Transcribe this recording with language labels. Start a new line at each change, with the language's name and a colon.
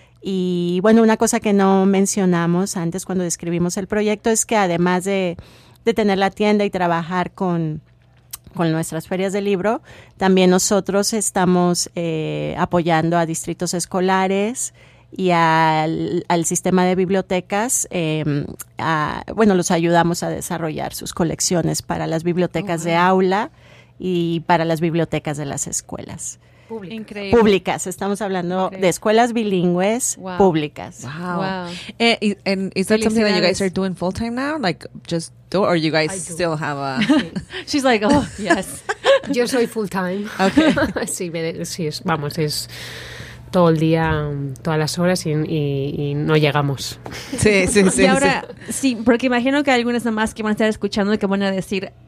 Spanish: Y bueno, una cosa que no mencionamos antes cuando describimos el proyecto es que además de tener la tienda y trabajar con nuestras ferias de libro, también nosotros estamos apoyando a distritos escolares y al sistema de bibliotecas. Los ayudamos a desarrollar sus colecciones para las bibliotecas de aula y para las bibliotecas de las escuelas. Increíble. Públicas, estamos hablando de escuelas bilingües públicas.
English: Is that something that you guys are doing full time now? Like just do, or you guys still have a... She's like, oh, yes.
Spanish: Yo soy
English: full time. Okay.
Spanish: sí, es todo el día, todas las horas y no llegamos. Sí, sí, sí. Y ahora, sí, porque imagino que hay algunas mamás que van a estar escuchando y que van a decir...